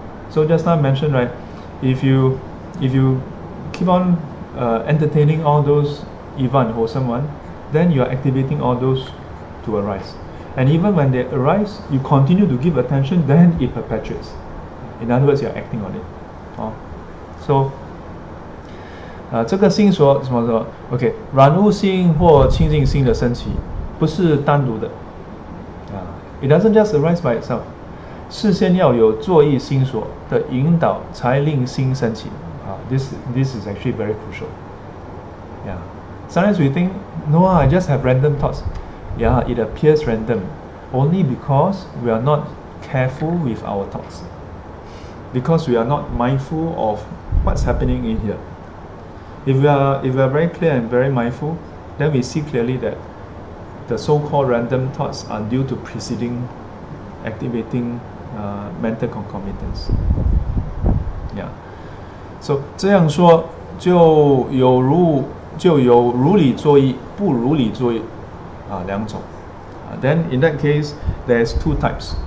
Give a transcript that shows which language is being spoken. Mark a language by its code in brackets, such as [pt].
[en] So just now I mentioned, right, if you keep on entertaining all those even wholesome one, then you are activating all those to arise. And even when they arise, you continue to give attention, then it perpetuates. In other words, you are acting on it. So [zh] 这个心所什么什么，OK，软物心或清净心的升起，不是单独的。 [en] It doesn't just arise by itself。 [zh] 事先要有作意心所的引导，才令心升起。 [en] This is actually very crucial。 Yeah. Sometimes we think, no, I just have random thoughts. Yeah, it appears random, only because we are not careful with our thoughts, because we are not mindful of what's happening in here. If we are very clear and very mindful, then we see clearly that the so-called random thoughts are due to preceding activating mental concomitants. Yeah. [zh] So 这样说就有如理作意，不如理作意，两种。 [en] Then in that case, there's two types.